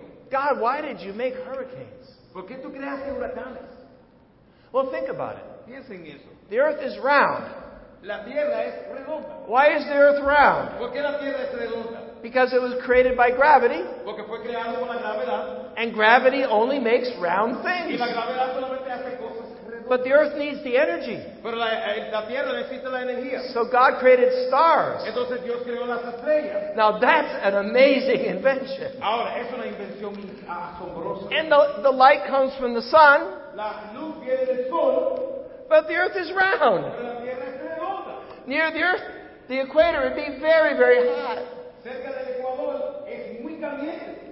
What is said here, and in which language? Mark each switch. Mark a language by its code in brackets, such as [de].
[en] God, why did you make hurricanes? [es] ¿Por qué tú creaste huracanes? [en] Well, think about it. [es] Piensa en eso. [en] The earth is round. [es] La tierra es redonda. [en] Why is the earth round? [es] ¿Por qué la tierra es redonda? [en] Because it was created by gravity. [es] Porque fue creado por la gravedad. [en] And gravity only makes round things. [es] Y la gravedad solamente hace cosas. [en] But the earth needs the energy. [es] Pero la tierra necesita la energía. [en] So God created stars. [es] Entonces Dios creó las estrellas. [en] Now that's an amazing invention. [es] Ahora, es una invención asombrosa. [en] And the light comes from the sun. [es] La luz viene del sol. [en] But the earth is round. [es] Pero la tierra es redonda. [en] Near the earth, the equator would be very, very hot. [es] Cerca del Ecuador es muy caliente.